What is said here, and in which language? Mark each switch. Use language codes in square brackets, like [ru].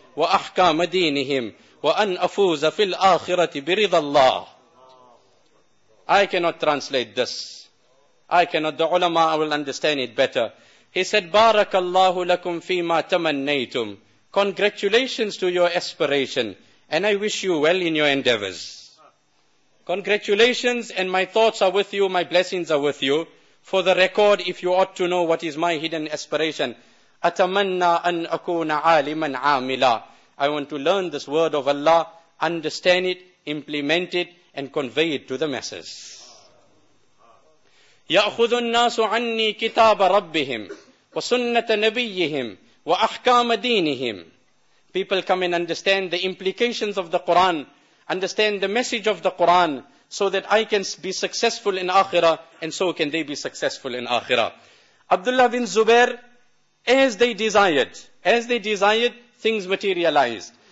[ar] وأحكام دينهم وأن أفوز في الآخرة برضا الله. [en] I cannot translate this. I cannot. The ulama will understand it better. He said, [ar] بارك الله لكم فيما تمنيتم. [en] Congratulations to your aspiration, and I wish you well in your endeavors. Congratulations, and my thoughts are with you. My blessings are with you. For the record, if you ought to know what is my hidden aspiration. [ar] أتمنى أن أكون عالما عاملا. [en] I want to learn this word of Allah, understand it, implement it, and convey it to the masses. [ar] يأخذ الناس عني كتاب ربهم وسنة نبيهم وأحكام دينهم. [en] People come and understand the implications of the Quran, understand the message of the Quran, so that I can be successful in Akhirah, and so can they be successful in Akhirah. Abdullah bin Zubair, As they desired, things materialized.